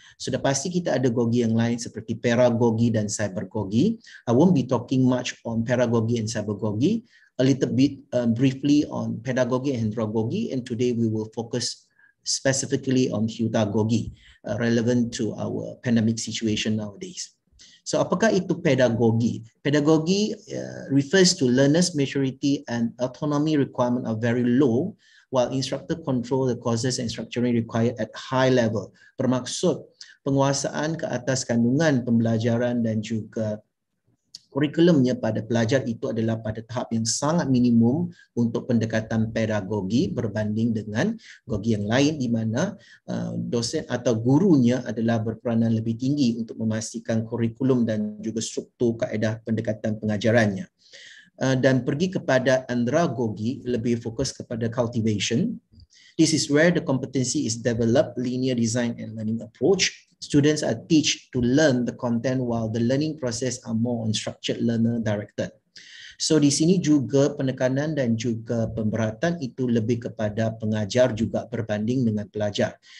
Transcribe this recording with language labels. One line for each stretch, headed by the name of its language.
Malay: Sudah pasti kita ada gogi yang lain seperti pedagogi dan cybergogi.
English: I won't be talking much on pedagogi and cybergogi. A little bit briefly on pedagogi and andragogi, and today we will focus specifically on hutagogi, relevant to our pandemic situation nowadays.
Malay: So apakah itu pedagogi?
English: Pedagogi refers to learners' maturity and autonomy requirement are very low, while instructor control the courses and structuring required at high level.
Malay: Bermaksud penguasaan ke atas kandungan pembelajaran dan juga kurikulumnya pada pelajar itu adalah pada tahap yang sangat minimum untuk pendekatan pedagogi berbanding dengan gogi yang lain, di mana dosen atau gurunya adalah berperanan lebih tinggi untuk memastikan kurikulum dan juga struktur kaedah pendekatan pengajarannya. Dan pergi kepada andragogi, lebih fokus kepada cultivation.
English: This is where the competency is developed, linear design and learning approach. Students are teach to learn the content while the learning process are more on structured learner directed.
Malay: So di sini juga penekanan dan juga pemberatan itu lebih kepada pengajar juga berbanding dengan pelajar.